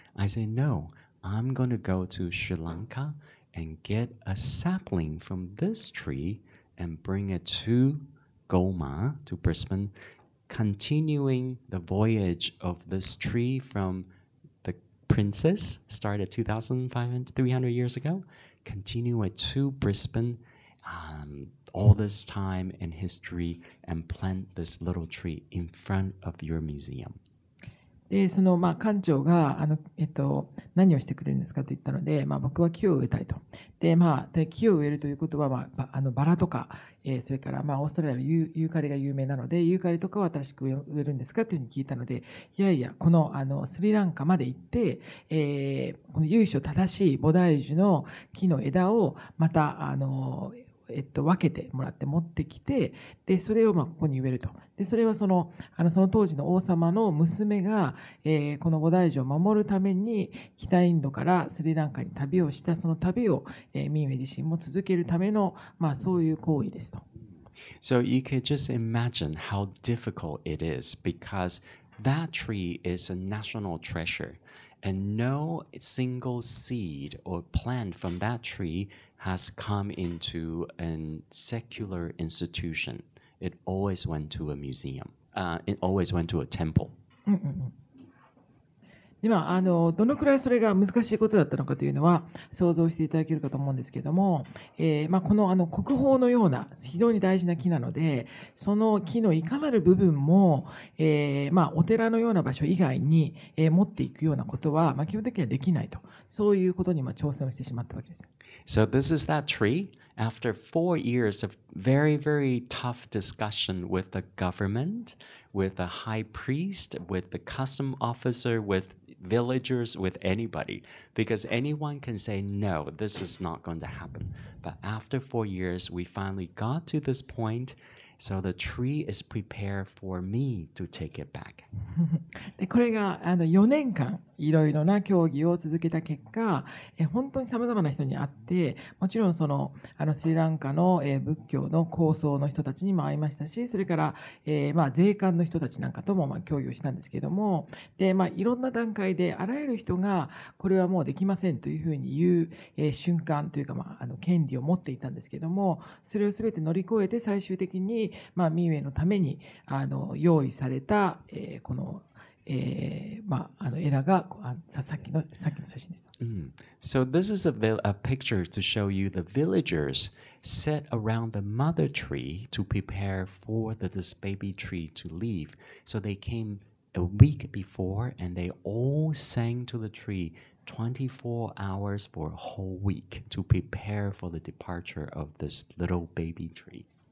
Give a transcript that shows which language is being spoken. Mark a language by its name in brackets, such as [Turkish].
[English] I say, no, I'm going to go to Sri Lanka and get a sapling from this tree and bring it to Goma, to Brisbane, continuing the voyage of this tree from the princess, started 2,300 years ago. Continue to Brisbane, all this time in history, and plant this little tree in front of your museum. [Japanese] で、その、まあ、館長が何をしてくれるんですかと言ったので、まあ、僕は木を植えたいと。で、まあ、で、木を植えるということは、まあ、バラとか、それから、まあ、オーストラリアのユーカリが有名なので、ユーカリとかを新しく植えるんですかというふうに聞いたので、いやいや、このスリランカまで行って、この由緒正しい菩提樹の木の枝をまた分けてもらって持ってきて、でそれをまあここに植えると。でそれはその当時の王様の娘が、この菩提樹を守るために北インドからスリランカに旅をした、その旅を、ミンウェイ自身も続けるための、まあ、そういう行為ですと。 [English] So you can just imagine how difficult it is, because that tree is a national treasure, and no single seed or plant from that tree has come into a secular institution. It always went to a museum. It always went to a temple. [Japanese] でまあ、どのくらいそれが難しいことだったのかというのは想像していただけるかと思うんですけれども、まあ、この、 国宝のような非常に大事な木なので、その木のいかなる部分も、まあ、お寺のような場所以外に、持っていくようなことは、まあ、基本的にはできないと、そういうことにも挑戦をしてしまったわけです。 [English] So this is that tree. After 4 years of very, very tough discussion with the government, with the high priest, with the custom officer, withvillagers, with anybody, because anyone can say no, this is not going to happen. But after 4 years, we finally got to this point, so the tree is prepared for me to take it back. [Japanese] でこれが4年間いろいろな協議を続けた結果、本当にさまざまな人に会って、もちろんスリランカの仏教の構想の人たちにも会いましたし、それから、まあ、税関の人たちなんかとも、まあ、協議をしたんですけれども、で、まあ、いろんな段階であらゆる人がこれはもうできませんというふうに言う、瞬間というか、まあ、権利を持っていたんですけれども、それをすべて乗り越えて最終的に、まあ、ミンウェイのために用意された、このまあ、枝がさっきの写真でした。 [English] So this is a picture to show you the villagers set around the mother tree to prepare for this baby tree to leave. So they came a week before and they all sang to the tree 24 hours for a whole week to prepare for the departure of this little baby tree.